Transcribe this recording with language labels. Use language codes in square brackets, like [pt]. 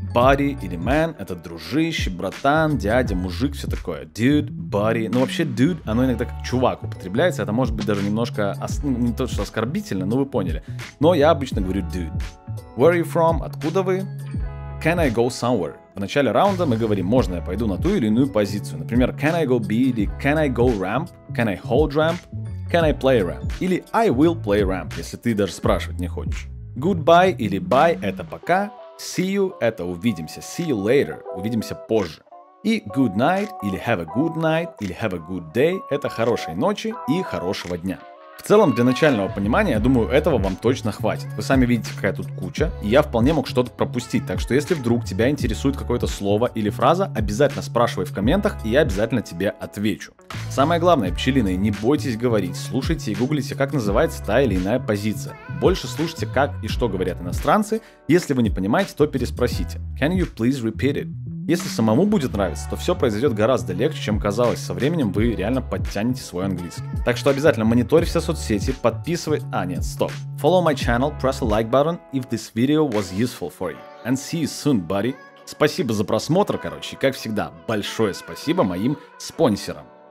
[ru] buddy или man — это дружище, братан, дядя, мужик, все такое. [en] Dude, buddy. [ru] Ну, вообще, dude, оно иногда как чувак употребляется. Это может быть даже немножко не то, что оскорбительно, но вы поняли. Но я обычно говорю dude. [en] Where are you from? [ru] Откуда вы? [en] Can I go somewhere? [ru] В начале раунда мы говорим, можно я пойду на ту или иную позицию. Например, [en] can I go B или can I go ramp? Can I hold ramp? Can I play ramp? [ru] Или [en] I will play ramp, [ru] если ты даже спрашивать не хочешь. [en] Goodbye [ru] или bye — это пока. [en] See you — [ru] это увидимся. [en] See you later — [ru] увидимся позже. [en] И good night или have a good night или have a good day — [ru] это хорошей ночи и хорошего дня. В целом, для начального понимания, я думаю, этого вам точно хватит. Вы сами видите, какая тут куча, и я вполне мог что-то пропустить. Так что, если вдруг тебя интересует какое-то слово или фраза, обязательно спрашивай в комментах, и я обязательно тебе отвечу. Самое главное, пчелиные, не бойтесь говорить. Слушайте и гуглите, как называется та или иная позиция. Больше слушайте, как и что говорят иностранцы. Если вы не понимаете, то переспросите. [en] Can you please repeat it? [ru] Если самому будет нравиться, то все произойдет гораздо легче, чем казалось. Со временем вы реально подтянете свой английский. Так что обязательно мониторь все соцсети, подписывай... А, нет, стоп. [en] Follow my channel, press a like button if this video was useful for you. And see you soon, buddy. [ru] Спасибо за просмотр, короче. И как всегда, большое спасибо моим спонсорам.